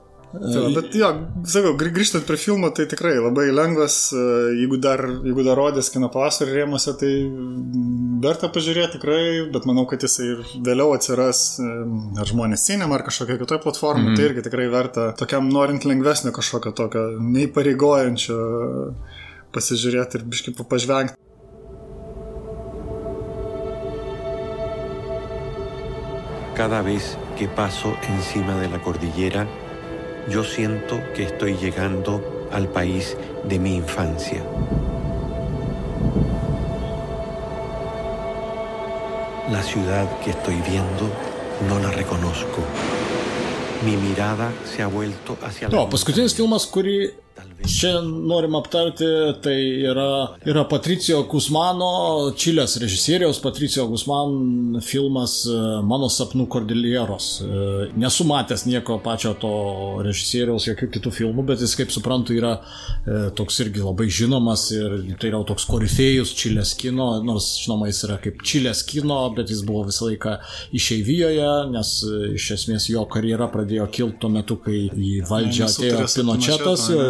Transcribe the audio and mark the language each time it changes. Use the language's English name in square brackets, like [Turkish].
[Lithuanian] Grįžtant prie filmo, tai tikrai labai lengvas, jeigu dar rodės kino pavasarį rėmose, tai verta pažiūrėti tikrai, bet manau, kad jis ir vėliau atsiras ar žmonės cinema, ar kažkokia kitoj platforma, tai irgi tikrai verta tokiam norint lengvesnio kažkokio tokio neįpareigojančio pasižiūrėti ir biškį pažvengti. [Spanish] Cada vez que paso encima de la cordillera, yo siento que estoy llegando al país de mi infancia. La La ciudad que estoy viendo no la reconozco. Mi mirada se ha vuelto hacia la... [Lithuanian] No, paskutinis filmas, kurį šiandien norim aptarti, tai yra Patricio Guzmano, Čilės režisieriaus Patricio Guzman filmas Mano sapnų kordilieros. Nesu matęs nieko pačio to režisieriaus, jokių kitų filmų, bet jis, kaip suprantu, yra toks irgi labai žinomas ir tai yra toks korifėjus Čilės kino, nors, žinoma, jis yra kaip Čilės kino, bet jis buvo visą laiką išeivijoje, nes iš esmės jo karjera pradėjo kilt tuo metu, kai į valdžią atėjo Pinočetas.